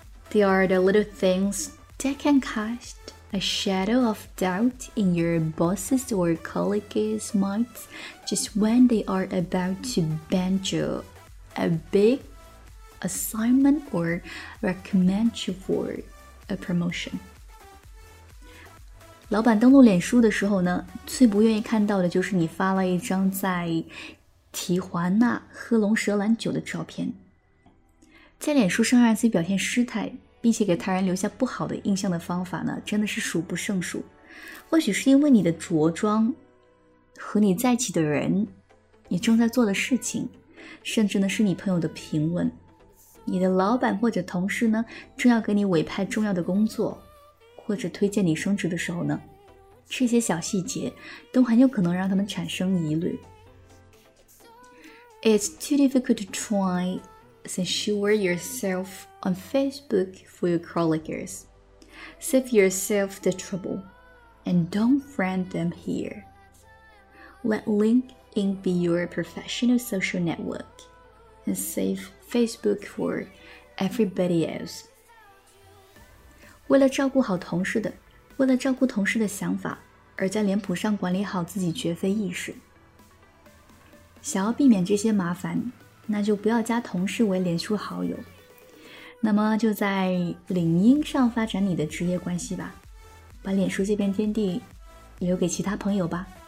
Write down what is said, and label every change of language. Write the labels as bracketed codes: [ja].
[en] There are the little things that can cast a shadow of doubt in your boss's or colleague's minds just when they are about to bend you a big assignment or recommend you for a promotion. [zh] 老板登录脸书的时候呢，最不愿意看到的就是你发了一张在提华纳喝龙舌兰酒的照片，在脸书上让自己表现失态并且给他人留下不好的印象的方法呢，真的是数不胜数。或许是因为你的着装和你在一起的人，你正在做的事情，甚至呢是你朋友的评论，你的老板或者同事呢正要给你委派重要的工作，或者推荐你升职的时候呢，这些小细节都很有可能让他们产生疑虑。 [en] It's too difficult to try to assure yourself on Facebook for your colleagues. Save yourself the trouble and don't friend them here. Let LinkedIn be your professional social network and save Facebook for everybody else. [zh] 为了照顾同事的想法而在脸谱上管理好自己绝非易事。想要避免这些麻烦，那就不要加同事为脸书好友，那么就在LinkedIn上发展你的职业关系吧，把脸书这边天地留给其他朋友吧。